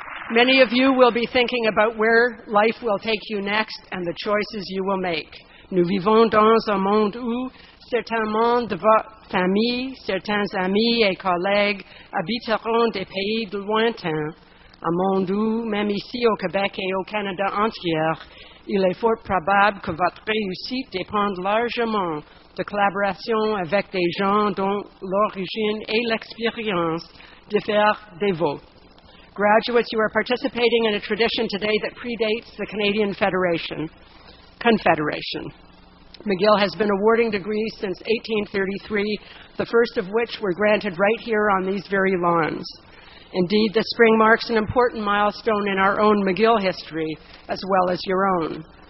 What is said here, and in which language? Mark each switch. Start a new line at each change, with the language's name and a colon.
English: Many of you will be thinking about where life will take you next and the choices you will make.
French: Nous vivons dans un monde où certains membres de votre famille, certains amis et collègues habiteront des pays lointains, un monde où, même ici au Québec et au Canada entier, il est fort probable que votre réussite dépende largement de collaboration avec des gens dont l'origine et l'expérience diffèrent des vôtres.
English: Graduates, you are participating in a tradition today that predates the Canadian Confederation. McGill has been awarding degrees since 1833, the first of which were granted right here on these very lawns. Indeed, this spring marks an important milestone in our own McGill history, as well as your own.